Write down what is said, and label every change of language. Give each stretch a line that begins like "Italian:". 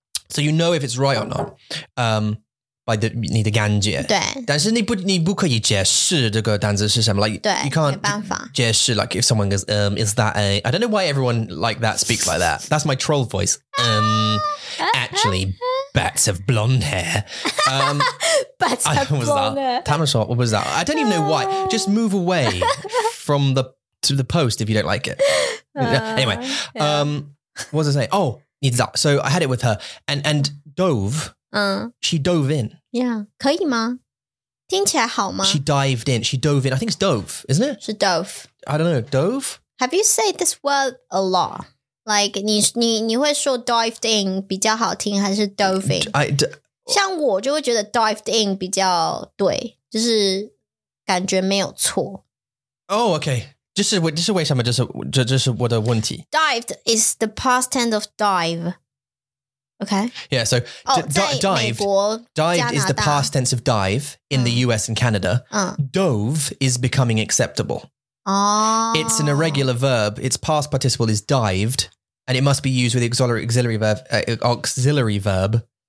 English: So you know if it's right or not. By the
Chinese: 你的感觉。对。但是你不可以解释这个单词是什么。
English: Like,
Chinese: 对。
English: You can't
Chinese: 没办法解释
English: like if someone goes, is that a... I don't know why everyone like that speaks like that. That's my troll voice. actually, bats have blonde hair. bats have blonde hair. What was that? I don't even know why. Just move away from to the post if you don't like it. Anyway, what was I saying? Oh,
Chinese: 你知道。
English: So I had it with her. And dove. She dove in. Yeah.
Chinese: 可以吗?听起来好吗?
English: She dived in. She dove in. I think it's dove, isn't it?
Chinese: 是 dove.
English: I don't know. Dove? Have you said this word a lot? Like,
Chinese: 你会说
English: dived in
Chinese: 比较好听还是
English: dove in?
Chinese: 像我就会觉得 dived in 比较对，就是感觉没有错。
English: Oh, okay.
Chinese: 这是为什么这是我的问题。
English: Dived is the past tense of dive. Okay. Yeah, so dived is the past tense of dive in the US and Canada. Dove is becoming acceptable. It's an irregular verb. Its past participle is dived, and it must be used with the auxiliary verb.